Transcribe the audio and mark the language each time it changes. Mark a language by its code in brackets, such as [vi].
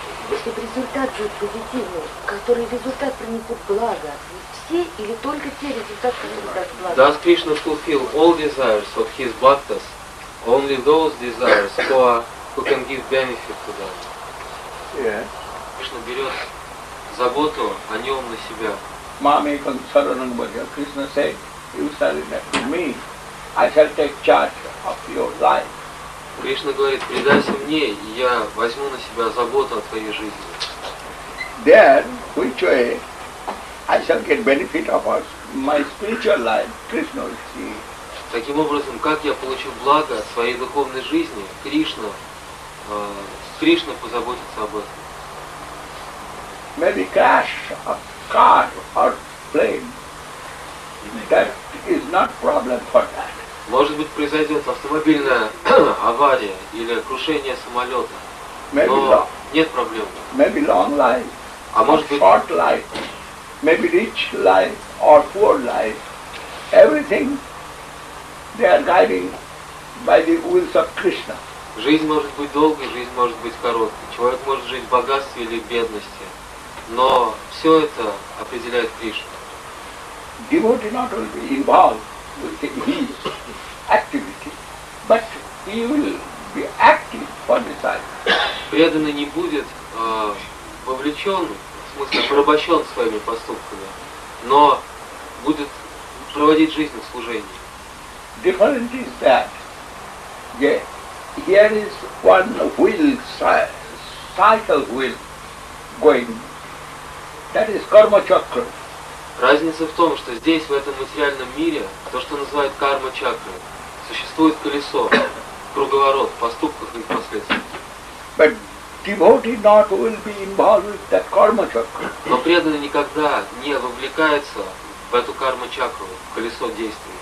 [ru] Если результат будет позитивный, который результат принесет благо, или только те результаты, которые благо. [en] Does Krishna fulfill all desires of his bhaktas? Only those desires who can give benefit to them. Yeah. [ru] Krishna берет заботу о нем на себя. [en] Mami Kansaranam Bhaja, Krishna said, you surrender to me, I shall take charge of your life. [ru] Krishna говорит, предайся мне, и я возьму на себя заботу о твоей жизни. [en] Then, which way? I shall get benefit of my spiritual life, Krishna will see. [ru] Таким образом, как я получу благо от своей духовной жизни, Кришна, Кришна позаботится об этом. [en] Maybe crash of car or plane. That is not problem for that. [ru] Может быть, произойдет автомобильная авария или крушение самолета. [en] Maybe [ru] но [en] long, [ru] нет проблем. [en] Maybe long life. [ru] А может быть, [en] short life. Maybe rich life or poor life, everything they are guiding by the wills of Krishna. [ru] Жизнь может быть долгой, жизнь может быть короткой. Человек может жить в богатстве или в бедности, но все это определяет Кришна. [en] Devotee not only be involved with his activity, but he will be active for the sake. [ru] Преданный не будет вовлечен. В смысле, порабощен своими поступками, но будет проводить жизнь в служении. [en] Different is that. Yeah. Here is one wheel, cycle wheel going. That is karma chakra. [ru] Разница в том, что здесь, в этом материальном мире, то, что называют карма чакрой, существует колесо, круговорот поступков и последствий. [en] Devotee not will be involved with that karma chakra. [ru] Но преданный никогда не вовлекается в эту карма чакру, в колесо действий.